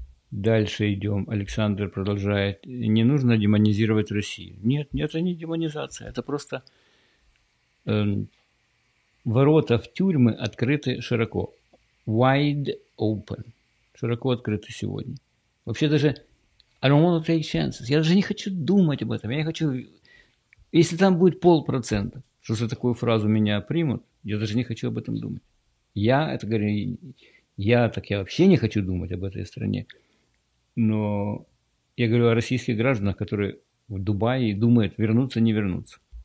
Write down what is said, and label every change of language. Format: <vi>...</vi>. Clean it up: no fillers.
<ru>Дальше идем. Александр продолжает. Не нужно демонизировать Россию. Нет, это не демонизация. Это просто ворота в тюрьмы открыты широко.</ru> <en>Wide open.</en> <ru>Широко открыты сегодня. Вообще даже</ru> <en>I don't want to take chances.</en> <ru>Я даже не хочу думать об этом. Я не хочу... Если там будет 0.5%, что за такую фразу меня примут, я даже не хочу об этом думать. Я это говорю... Я вообще не хочу думать об этой стране. Но я говорю о российских гражданах, которые в Дубае думают, вернуться, не вернуться.</ru>